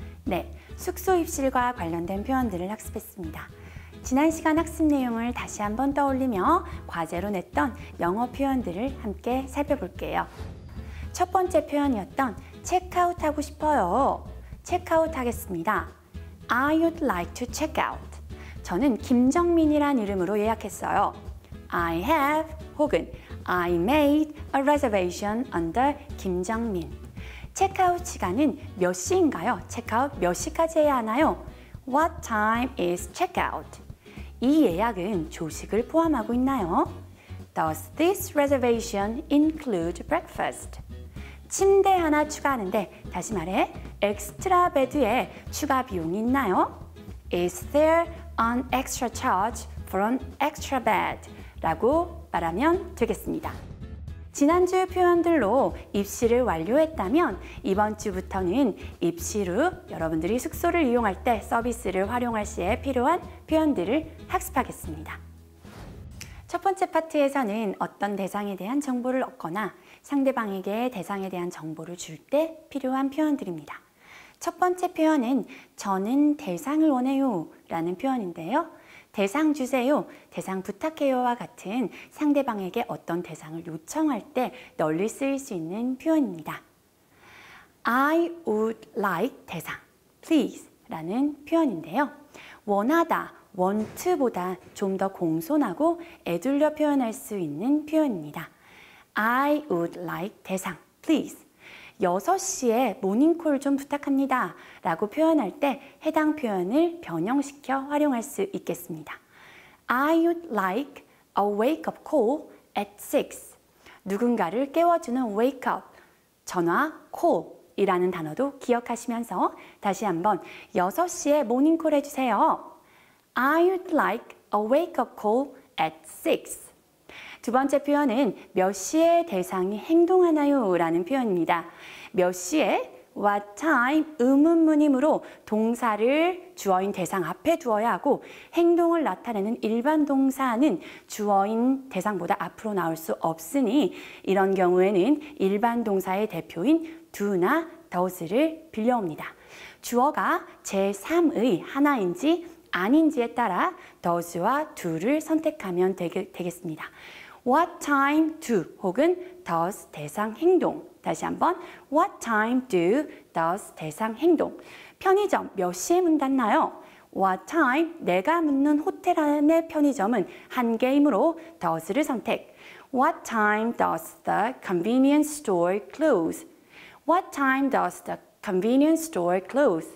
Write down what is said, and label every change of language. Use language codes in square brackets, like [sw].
[ko] 네, 숙소 입실과 관련된 표현들을 학습했습니다. 지난 시간 학습 내용을 다시 한번 떠올리며 과제로 냈던 영어 표현들을 함께 살펴볼게요. 첫 번째 표현이었던 체크아웃 하고 싶어요. 체크아웃 하겠습니다. [en] I would like to check out. [ko] 저는 김정민이란 이름으로 예약했어요. [en] I have 혹은 I made a reservation under 김정민. [ko] 체크아웃 시간은 몇 시인가요? 체크아웃 몇 시까지 해야 하나요? [en] What time is checkout? [ko] 이 예약은 조식을 포함하고 있나요? [en] Does this reservation include breakfast? [ko] 침대 하나 추가하는데, 다시 말해, 엑스트라 베드에 추가 비용이 있나요? [en] Is there an extra charge for an extra bed? [ko] 라고 말하면 되겠습니다. 지난주 표현들로 입실을 완료했다면 이번 주부터는 입실 후 여러분들이 숙소를 이용할 때 서비스를 활용할 시에 필요한 표현들을 학습하겠습니다. 첫 번째 파트에서는 어떤 대상에 대한 정보를 얻거나 상대방에게 대상에 대한 정보를 줄 때 필요한 표현들입니다. 첫 번째 표현은 저는 대상을 원해요 라는 표현인데요. 대상 주세요, 대상 부탁해요와 같은 상대방에게 어떤 대상을 요청할 때 널리 쓰일 수 있는 표현입니다. [en] I would like 대상, please [ko] 라는 표현인데요. 원하다, want보다 좀 더 공손하고 애둘려 표현할 수 있는 표현입니다. [en] I would like 대상, please. [ko] 6시에 모닝콜 좀 부탁합니다 라고 표현할 때 해당 표현을 변형시켜 활용할 수 있겠습니다. [en] I would like a wake-up call at 6. [ko] 누군가를 깨워주는 wake-up, 전화, call이라는 단어도 기억하시면서 다시 한번 6시에 모닝콜 해주세요. [en] I would like a wake-up call at 6. [ko] 두 번째 표현은 몇 시에 대상이 행동하나요? 라는 표현입니다. 몇 시에? [en] What time? [ko] 의문문임으로 동사를 주어인 대상 앞에 두어야 하고 행동을 나타내는 일반 동사는 주어인 대상보다 앞으로 나올 수 없으니 이런 경우에는 일반 동사의 대표인 do나 does를 빌려옵니다. 주어가 제3의 하나인지 아닌지에 따라 does와 do를 선택하면 되겠습니다. [en] What time do 혹은 does [ko] 대상 행동. 다시 한번 [en] What time do does [ko] 대상 행동. 편의점 몇 시에 문 닫나요? [en] What time [ko] 내가 묻는 호텔 안의 편의점은 한 개이므로 does를 선택. [en] What time does the convenience store close? What time does the convenience store close?